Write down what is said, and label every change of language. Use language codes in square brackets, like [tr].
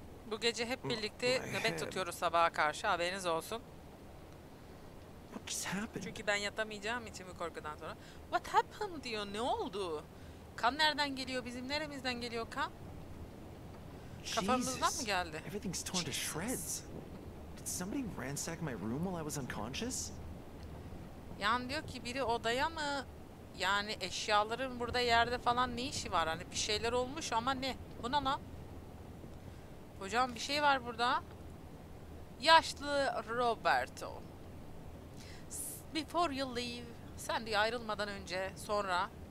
[tr] Bu gece hep birlikte nöbet tutuyoruz sabaha karşı, haberiniz olsun. Çünkü ben yatamayacağım içimi korkudan sonra. [en] What happened [tr] diyor, ne oldu? Kan nereden geliyor, bizim neremizden geliyor kan? Kafamızdan mı geldi? [en] Everything's torn to shreds. Did somebody ransack my room while I was unconscious? [tr] Yani diyor ki biri odaya mı, yani eşyaların burada yerde falan ne işi var, hani bir şeyler olmuş ama ne? Bu ne lan? Hocam bir şey var burada. Yaşlı Roberto. [en] Before you leave, [tr] sen diye ayrılmadan önce, sonra.